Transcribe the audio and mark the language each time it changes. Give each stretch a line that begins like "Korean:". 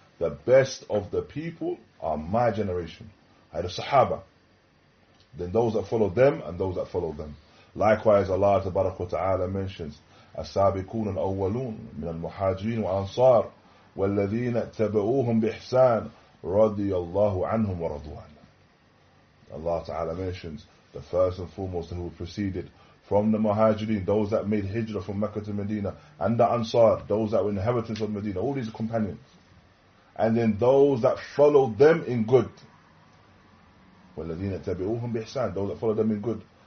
English: The best of the people are my generation. I had a Sahaba. Then those that follow them and those that follow them. Likewise, Allah Tabarak wa Ta'ala mentions,
Arabic: السابقون الأولون من المحاجرين والأنصار والذين اتبعوهم بإحسان رضي الله عنهم ورضوا عنه.
English: Allah Ta'ala mentions, the first and foremost who preceded from the Muhajirin, those that made Hijrah from Mecca to Medina, and the Ansar, those that were inhabitants of Medina, all these companions. And then those that followed them in good.
Arabic: وَالَّذِينَ تَبِعُوهُمْ بِإِحْسَانِ
English: Those that followed them in good.